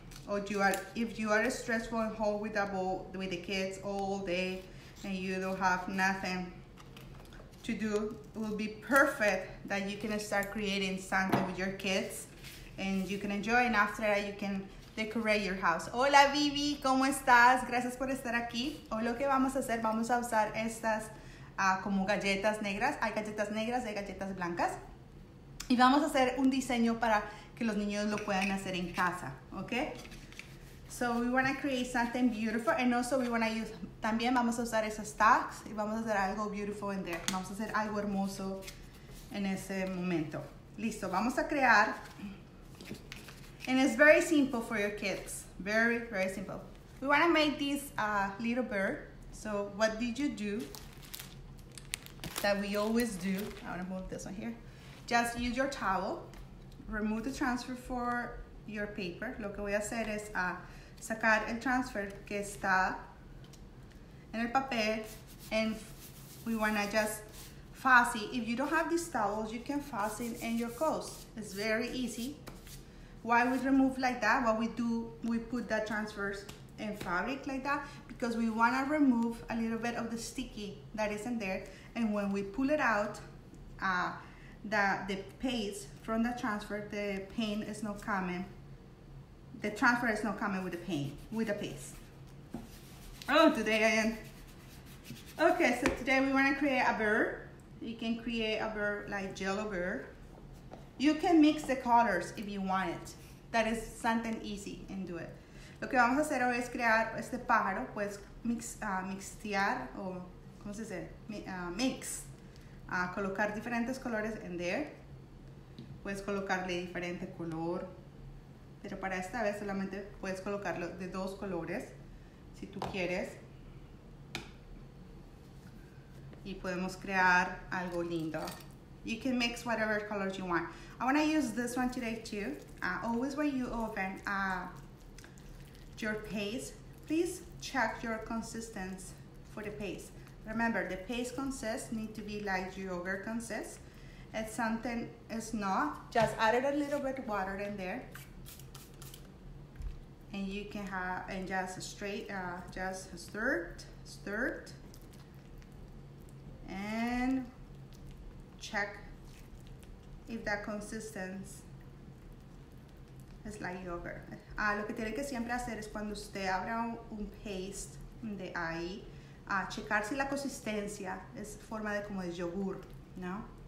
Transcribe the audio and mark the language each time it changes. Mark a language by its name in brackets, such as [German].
[English] Or if you are stressful at home with the kids all day and you don't have nothing to do, it will be perfect that you can start creating something with your kids and you can enjoy, and after that you can decorate your house. [Spanish] Hola Vivi, ¿cómo estás? Gracias por estar aquí. Hoy lo que vamos a hacer, vamos a usar estas como galletas negras. Hay galletas negras y galletas blancas. Y vamos a hacer un diseño para que los niños lo puedan hacer en casa, ¿ok? [English] So we want to create something beautiful, and also we want to use, [Spanish] también vamos a usar esas tags y vamos a hacer algo [English] beautiful in there. [Spanish] Vamos a hacer algo hermoso en ese momento. Listo, vamos a crear. [English] And it's very simple for your kids. Very, very simple. We want to make this little bird. So what did you do that we always do? I want to move this one here. Just use your towel. Remove the transfer for your paper. Lo que voy a hacer es sacar el transfer que está en el papel. And we want to just fasten. If you don't have these towels, you can fasten in your clothes. It's very easy. Why we remove like that? What we do, we put that transverse in fabric like that because we wanna remove a little bit of the sticky that is in there. And when we pull it out, the paste from the transfer, the paint is not coming. The transfer is not coming with the paint, with the paste. Oh, today I am. Okay, so today we wanna create a bird. You can create a bird like jello bird. You can mix the colors if you want it. That is something easy and do it. [Spanish] Lo que vamos a hacer hoy es crear este pájaro, pues mixtear o, ¿cómo se dice? Mix. Colocar diferentes colores [English] in there. [Spanish] Puedes colocarle diferente color. Pero para esta vez solamente puedes colocarlo de dos colores, si tú quieres. Y podemos crear algo lindo. [English] You can mix whatever colors you want. I want to use this one today too. Always when you open your paste, please check your consistency for the paste. Remember, the paste consists need to be like yogurt consists. If something is not, just add a little bit of water in there. And you can have, and just straight, just stir it. And check if that consistency is like yogurt. [Spanish] Lo que tiene que siempre hacer es cuando usted abra un paste de ahí, checar si la consistencia es forma de como de yogur, ¿no?